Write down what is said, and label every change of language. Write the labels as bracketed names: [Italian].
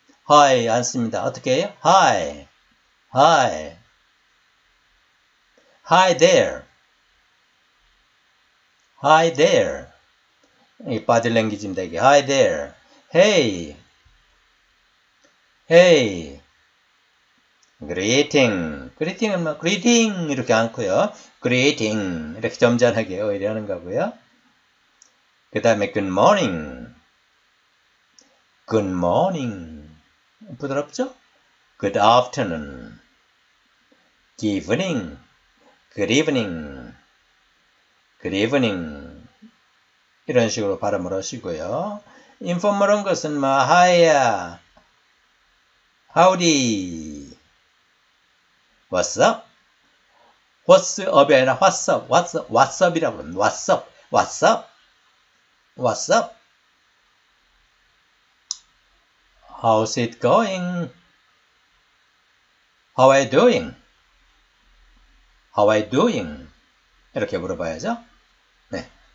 [English] hi [Korean] 안 씁니다. 어떻게 해요? [English] hi, hi, hi there, hi there. [Korean] 이 바디 랭귀지입니다. [English] hi there, hey, hey. [Korean] greeting, greeting은 뭐, greeting, 이렇게 않고요. greeting, 이렇게 점잖하게 오히려 하는 거고요. 그 다음에 [English] good morning, good morning, [Korean] 부드럽죠? [English] good afternoon, good evening, good evening, good evening, [Korean] 이런 식으로 발음을 하시고요. [English] informal [Korean] 한 것은 뭐, [English] hiya, howdy, What's up? What's up이 아니라 What's up? What's up? What's up이라고 합니다. What's up? What's up? What's up? How's it going? How are you doing? How are you doing? [Korean] 이렇게 물어봐야죠. 네.